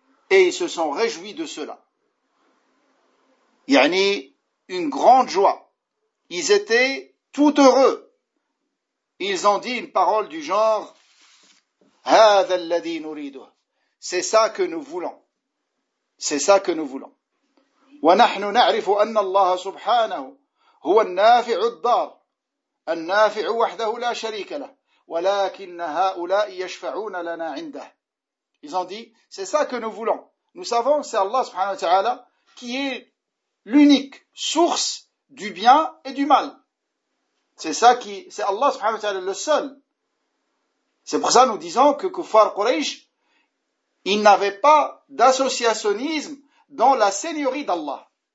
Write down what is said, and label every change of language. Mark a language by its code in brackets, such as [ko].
[fr] Et ils se sont réjouis de cela. Yani, une grande joie. Ils étaient tout heureux. Ils ont dit une parole du genre, [ar] هذا الذي نريده. [fr] C'est ça que nous voulons. C'est ça que nous voulons. [ar] ونحن نعرف أن الله سبحانه هو النافع الضار النافع وحده لا شريك له ولكن هؤلاء يشفعون لنا عنده. [fr] Ils ont dit, c'est ça que nous voulons. Nous savons, c'est Allah subhanahu wa ta'ala qui est l'unique source du bien et du mal. C'est Allah subhanahu wa ta'ala le seul. C'est pour ça que nous disons que Kuffar Quraysh, ils n'avaient pas d'associationnisme dans la seigneurie d'Allah.